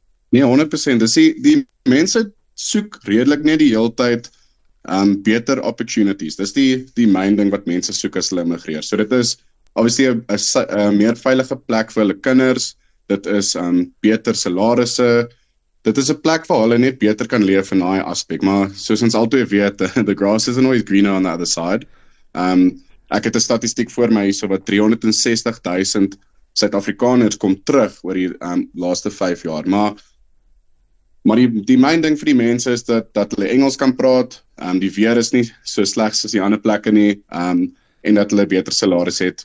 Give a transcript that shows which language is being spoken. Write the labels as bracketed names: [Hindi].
[Afrikaans] Nee, 100%. Dis die mense soek redelik net die hele tyd beter opportunities. Dis die main ding wat mense soek as hulle immigreer. So dit is obviously 'n meer veilige plek vir hulle kinders. Dit is beter salarisse. Dit is 'n plek waar hulle net beter kan leef in daai aspek. Maar soos ons altyd weet, [English] the grass isn't always greener on the other side. [Afrikaans] Ek het 'n statistiek voor my hierso wat 360,000 Suid-Afrikaners kom terug oor die laaste 5 jaar. Maar die main ding vir die mense is dat hulle Engels kan praat. Die weer is nie so sleg soos die ander plekke nie. En dat hulle beter salarisse het.